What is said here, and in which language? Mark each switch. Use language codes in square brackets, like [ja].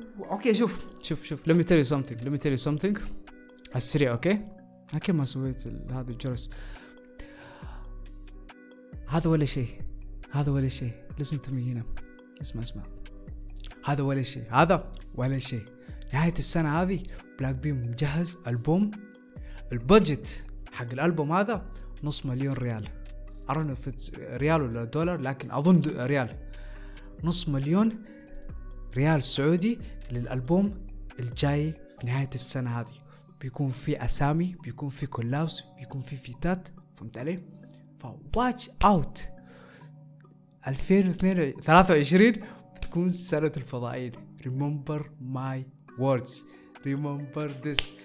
[ar] اوكي شوف شوف شوف، [en] let me tell you something let me tell you something [ar] على السريع. اوكي اوكي، ما سويت هذا الجرس، هذا ولا شيء، هذا ولا شيء. [en] listen to me [ar] هنا، اسمع اسمع، هذا ولا شيء، هذا ولا شيء. نهايه السنه هذه بلاك بيم مجهز البوم، البادجت حق الألبوم هذا نص مليون ريال، أعرف إنه في ريال ولا دولار لكن أظن ريال، نص مليون ريال سعودي للألبوم الجاي في نهاية السنة هذه. بيكون في أسامي، بيكون في كولابس، بيكون في فيتات، فهمت علي؟ فواتش أوت، 2023 بتكون سنة الفضائيين. [en] Remember my words, remember this.